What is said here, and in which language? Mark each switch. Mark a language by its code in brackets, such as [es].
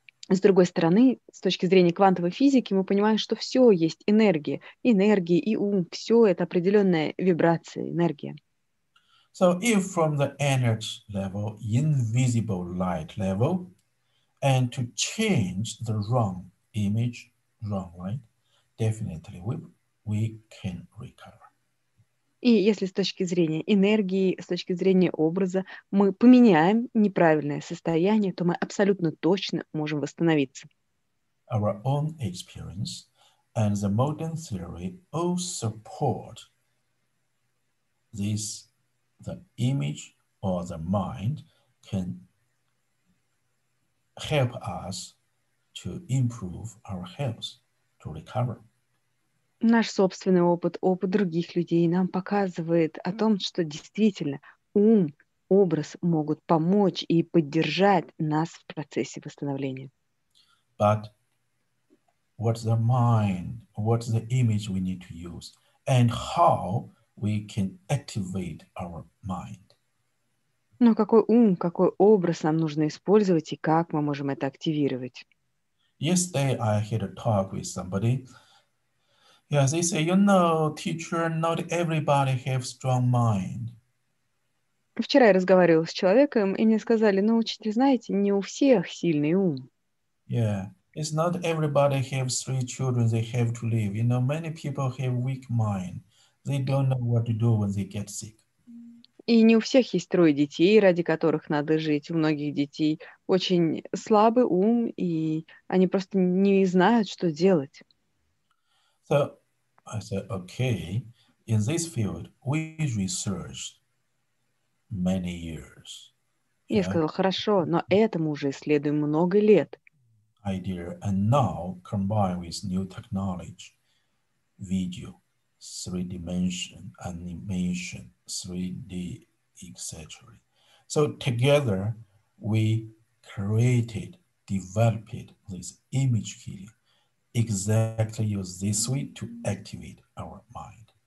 [ru] С другой стороны, с точки зрения квантовой физики, мы понимаем, что все есть энергия. Энергия и ум, все это определенная вибрация, энергия. [en] So if from the energy level, invisible light level, and to change the wrong image, wrong light, definitely we can recover. [ru] И если с точки зрения энергии, с точки зрения образа, мы поменяем неправильное состояние, то мы абсолютно точно можем восстановиться. [en] Our own experience and the modern theory all support this, the image or the mind can help us to improve our health, to recover. [ru] Наш собственный опыт, опыт других людей нам показывает о том, что действительно ум, образ могут помочь и поддержать нас в процессе восстановления. [en] But what's the mind, what's the image we need to use, and how we can activate our mind? [ru] Но какой ум, какой образ нам нужно использовать и как мы можем это активировать? [en] Yesterday I had a talk with somebody. Yeah, they say, you know, teacher, not everybody has strong mind. [ru] Вчера я разговаривала с человеком, и мне сказали, ну, учитель, знаете, не у всех сильный ум. [en] Yeah, it's not everybody has three children they have to leave. You know, many people have weak mind. They don't know what to do when they get sick. [ru] И не у всех есть трое детей, ради которых надо жить. У многих детей очень слабый ум, и они просто не знают, что делать. [en] So I said, okay, in this field we researched many years. [ru] Я сказала, хорошо, но этому уже исследуем много лет. [en] Idea, and now combined with new technology, video, three dimension, animation, 3D, etc. So together we created, developed this image healing, exactly use this way to activate our mind.